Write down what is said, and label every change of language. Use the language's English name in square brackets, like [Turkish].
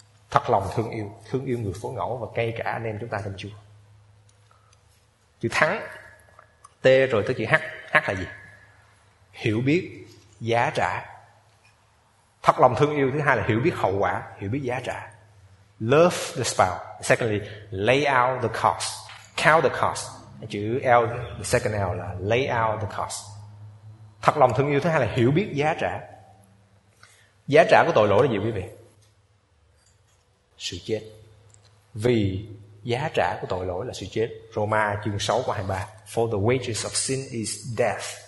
[Vietnamese] Thật lòng thương yêu, thương yêu người phối ngẫu và ngay cả anh em chúng ta trong Chúa. Chữ thắng, T rồi tới chữ H. H là gì? Hiểu biết giá trả. Thật lòng thương yêu, thứ hai là hiểu biết hậu quả, hiểu biết giá trả. [English] Love the spouse. Secondly, lay out the cost. Count the cost. [Vietnamese] Chữ L, [English] the second L là lay out the cost. [Vietnamese] Thật lòng thương yêu, thứ hai là hiểu biết giá trả. Giá trả của tội lỗi là gì quý vị? Sự chết. Vì giá trả của tội lỗi là sự chết. Roma chương 6 câu 23: [English] For the wages of sin is death.